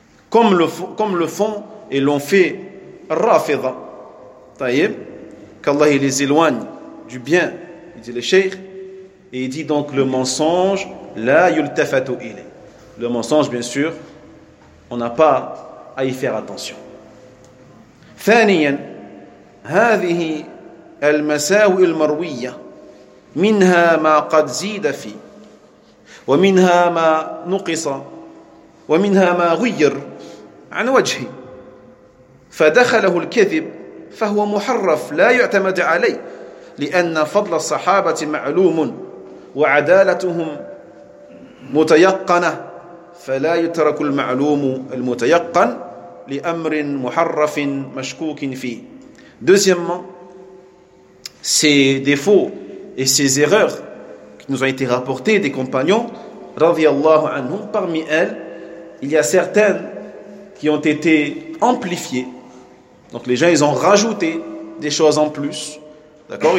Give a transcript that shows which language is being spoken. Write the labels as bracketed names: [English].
[French] Comme le font et l'ont fait Rafida. Taïeb, qu'Allah il les éloigne du bien, il dit le Cheikh. Et il dit donc le mensonge, [Arabic] la yultafatu ilay. [French] Le mensonge, bien sûr, on n'a pas à y faire attention. [Arabic] Thaniyan, هذه المساوئ المروية منها ما قد زيد في ومنها ما نقص ومنها ما غير عن وجهه فدخله الكذب فهو محرف لا يعتمد عليه لأن فضل الصحابة معلوم وعدالتهم متيقنة فلا يترك المعلوم المتيقن لأمر محرف مشكوك فيه. [French] Deuxièmement, ces défauts et ces erreurs qui nous ont été rapportées des compagnons, [Arabic] radiallahu anhum, [French] parmi elles, il y a certaines qui ont été amplifiées. Donc les gens, ils ont rajouté des choses en plus, d'accord ?